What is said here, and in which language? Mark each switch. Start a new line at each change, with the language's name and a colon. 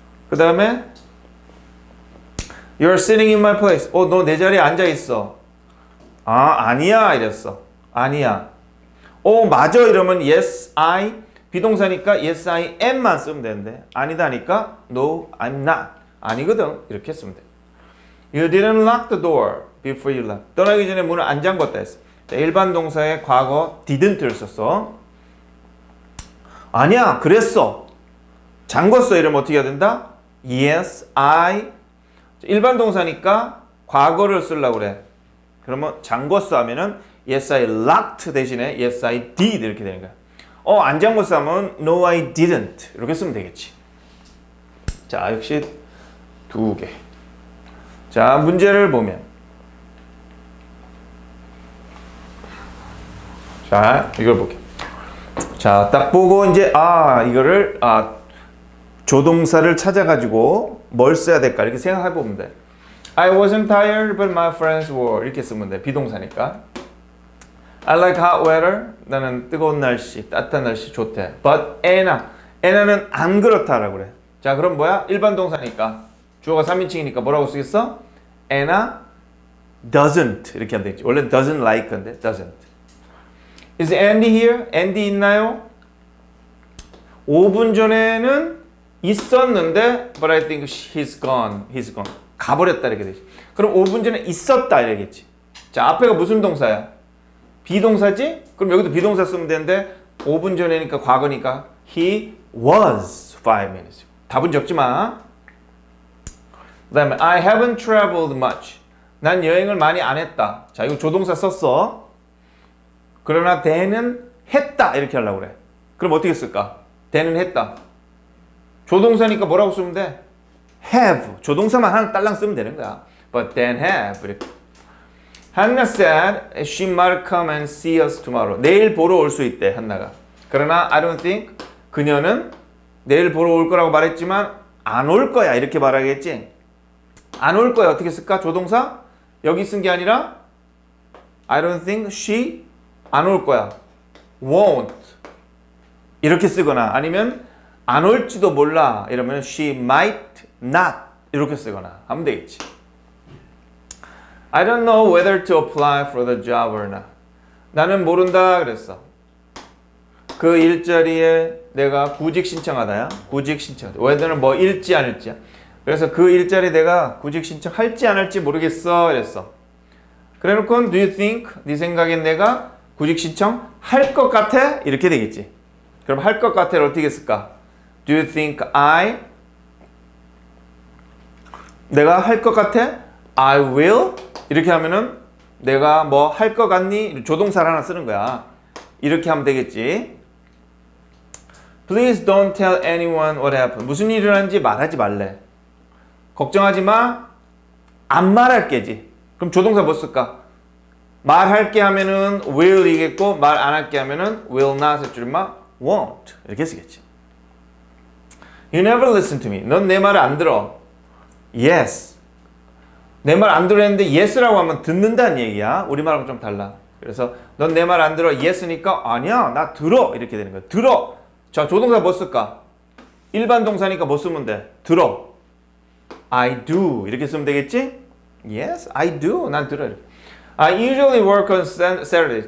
Korean: 그 다음에
English: You're sitting in my place.
Korean: 어, 너 내 자리에 앉아있어. 아, 아니야 이랬어. 아니야. 어, 맞아 이러면
English: Yes, I
Korean: 비동사니까
English: Yes, I am
Korean: 만 쓰면 되는데 아니다니까
English: No, I'm not.
Korean: 아니거든. 이렇게 쓰면 돼.
English: You didn't lock the door before you left.
Korean: 떠나기 전에 문을 안 잠궜다 했어. 일반 동사의 과거 didn't를 썼어. 아니야, 그랬어. 잠궜어 이러면 어떻게 해야 된다?
English: Yes, I
Korean: 일반 동사니까 과거를 쓰려고 그래. 그러면 잠궜어 하면은
English: Yes, I locked
Korean: 대신에
English: Yes, I did
Korean: 이렇게 되는 거야. 어, 안 잠궜어 하면
English: No, I didn't
Korean: 이렇게 쓰면 되겠지. 자, 역시 두 개. 자, 문제를 보면, 자, 이걸 볼게. 자, 딱 보고 이제 아, 이거를 아 조동사를 찾아가지고 뭘 써야 될까 이렇게 생각해 보면 돼.
English: I wasn't tired but my friends were
Korean: 이렇게 쓰면 돼. 비동사니까.
English: I like hot weather.
Korean: 나는 뜨거운 날씨, 따뜻한 날씨 좋대. But Anna, Anna는 안 그렇다라고 그래. 자, 그럼 뭐야? 일반 동사니까. 주어가 3인칭이니까 뭐라고 쓰겠어?
English: Anna doesn't.
Korean: 이렇게 하면 되겠지. 원래
English: doesn't like
Korean: 인데, doesn't.
English: Is Andy here?
Korean: Andy 있나요? 5분 전에는 있었는데,
English: but I think he's gone. He's gone.
Korean: 가버렸다 이렇게 되지. 그럼 5분 전에 있었다 이러겠지. 자, 앞에가 무슨 동사야? 비동사지? 그럼 여기도 비동사 쓰면 되는데 5분 전이니까 과거니까
English: he was 5 minutes.
Korean: 답은 적지 마. 그다음에
English: I haven't traveled much.
Korean: 난 여행을 많이 안 했다. 자, 이거 조동사 썼어. 그러나 대는 했다 이렇게 하려고 그래. 그럼 어떻게 쓸까? 대는 했다. 조동사니까 뭐라고 쓰면 돼?
English: have.
Korean: 조동사만 하나 딸랑 쓰면 되는 거야.
English: But then have.
Korean: 이렇게.
English: Hannah said she might come and see us tomorrow.
Korean: 내일 보러 올 수 있대, 한나가. 그러나
English: I don't think
Korean: 그녀는 내일 보러 올 거라고 말했지만 안 올 거야, 이렇게 말하겠지. 안 올 거야, 어떻게 쓸까? 조동사? 여기 쓴 게 아니라
English: I don't think she
Korean: 안 올 거야. won't 이렇게 쓰거나 아니면 안 올지도 몰라 이러면
English: she might not
Korean: 이렇게 쓰거나 하면 되겠지.
English: I don't know whether to apply for the job or not.
Korean: 나는 모른다 그랬어. 그 일자리에 내가 구직 신청하다야. 구직 신청하다. whether는 뭐 일지 아닐지야. 그래서 그 일자리에 내가 구직 신청할지 안 할지 모르겠어 이랬어. 그래 놓고는
English: do you think
Korean: 네 생각엔 내가 구직 신청할 것 같아? 이렇게 되겠지. 그럼 할 것 같아를 어떻게 쓸까?
English: Do you think I
Korean: 내가 할 것 같아?
English: I will
Korean: 이렇게 하면은 내가 뭐 할 것 같니? 조동사를 하나 쓰는 거야. 이렇게 하면 되겠지.
English: Please don't tell anyone what happened.
Korean: 무슨 일을 하는지 말하지 말래. 걱정하지 마. 안 말할게지. 그럼 조동사 뭐 쓸까? 말할게 하면은 will이겠고 말 안 할게 하면은
English: will not
Korean: 줄임말 won't 이렇게 쓰겠지.
English: You never listen to me.
Korean: 넌 내 말을 안 들어.
English: Yes.
Korean: 내 말 안 들어 했는데 yes라고 하면 듣는다는 얘기야. 우리말하고 좀 달라. 그래서 넌 내 말 안 들어 yes니까 아니야 나 들어 이렇게 되는 거야. 들어. 자, 조동사 뭐 쓸까? 일반 동사니까 뭐 쓰면 돼? 들어.
English: I do
Korean: 이렇게 쓰면 되겠지?
English: Yes, I do.
Korean: 난 들어.
English: I usually work on Saturday.